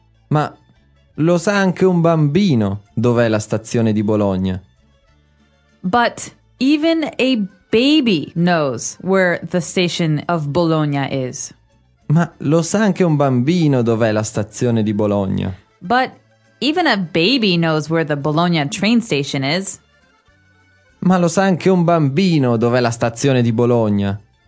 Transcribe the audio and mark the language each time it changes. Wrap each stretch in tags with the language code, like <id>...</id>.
<it>Ma lo sa anche un bambino dov'è la stazione di Bologna.</it> <en>But even a baby knows where the station of Bologna is.</en> <it>Ma lo sa anche un bambino dov'è la stazione di Bologna.</it> <en>But even a baby knows where the Bologna train station is.</en> <it>Ma lo sa anche un bambino dov'è la stazione di Bologna.</it>